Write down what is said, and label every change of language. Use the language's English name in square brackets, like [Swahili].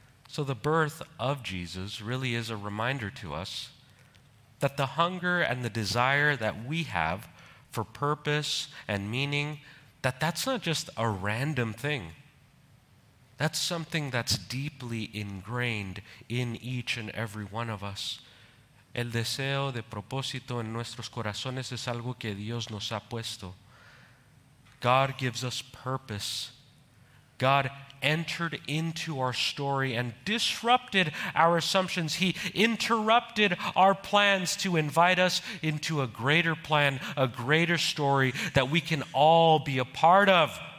[English] So the birth of Jesus really is a reminder to us that the hunger and the desire that we have for purpose and meaning, that that's not just a random thing. That's something that's deeply ingrained in each and every one of us. [Spanish] El deseo de propósito en nuestros corazones es algo que Dios nos ha puesto. [English] God gives us purpose. God entered into our story and disrupted our assumptions. He interrupted our plans to invite us into a greater plan, a greater story that we can all be a part of.